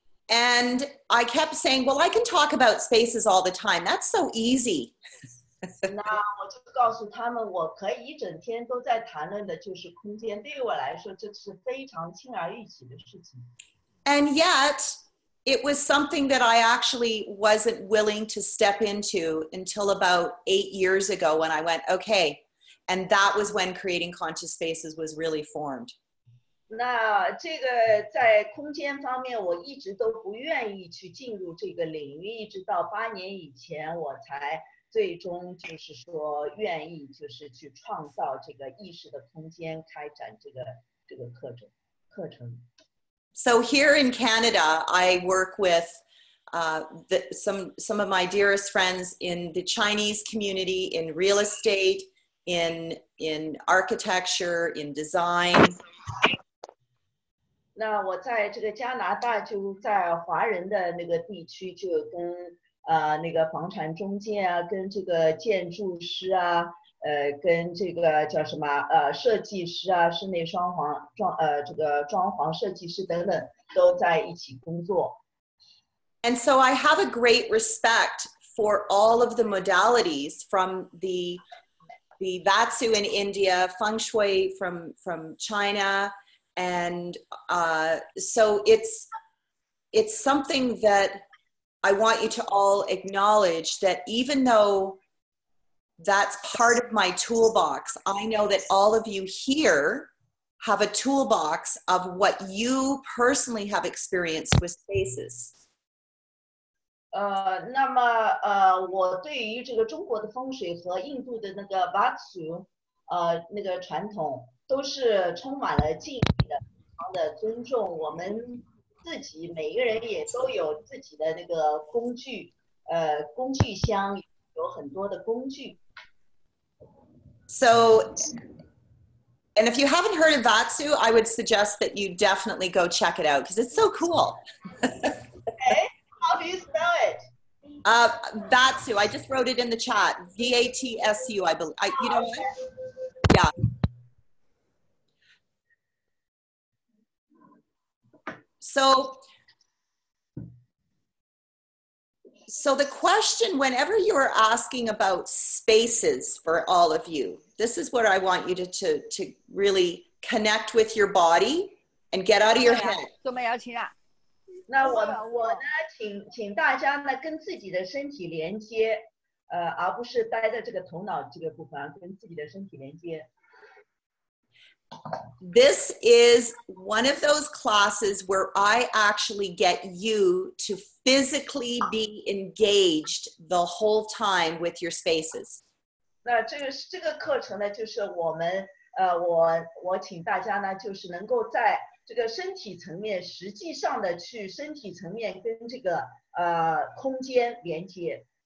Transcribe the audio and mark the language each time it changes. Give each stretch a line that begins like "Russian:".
English: And I kept saying, well, I can talk about spaces all the time. That's so easy.
Chinese: 那我就告诉他们，我可以一整天都在谈论的就是空间。对于我来说，这是非常轻而易举的事情。
English: And yet, it was something that I actually wasn't willing to step into until about 8 years ago when I went, okay. And that was when Creating Conscious Spaces was really formed.
Chinese: 那这个在空间方面，我一直都不愿意去进入这个领域，一直到8年以前，我才最终就是说愿意就是去创造这个意识的空间，开展这个课程。
English: So here in Canada, I work with some of my dearest friends in the Chinese community, in real estate, in architecture, in design.
Chinese: 那我在这个加拿大就在华人的那个地区就跟那个房产中介啊，跟这个建筑师啊，跟这个叫什么设计师啊，室内装潢这个装潢设计师等等，都在一起工作。
English: And so I have a great respect for all of the modalities from the Vatsu in India, Feng Shui from China, and so it's something that I want you to all acknowledge that even though that's part of my toolbox, I know that all of you here have a toolbox of what you personally have experienced with spaces.
Chinese: 那么我对于这个中国的风水和印度的那个 Vatsu 那个传统都是充满了敬意的，非常的尊重。我们自己每个人也都有自己的那个工具，工具箱有很多的工具。
English: So, and if you haven't heard of Vatsu, I would suggest that you definitely go check it out because it's so cool. Okay, how do you spell it? Vatsu, I just wrote it in the chat. V-A-T-S-U, I believe. You know what? Yeah. So the question, whenever you're asking about spaces for all of you, this is what I want you to really connect with your body and get out of your head.
Chinese: 做没邀请啊？那我呢，请大家呢跟自己的身体连接，而不是待在这个头脑这个部分，跟自己的身体连接。
English: This is one of those classes where I actually get you to physically be engaged the whole time with your spaces.
Chinese: 那这个课程呢，就是我们我请大家呢，就是能够在这个身体层面，实际上的去身体层面跟这个空间连接。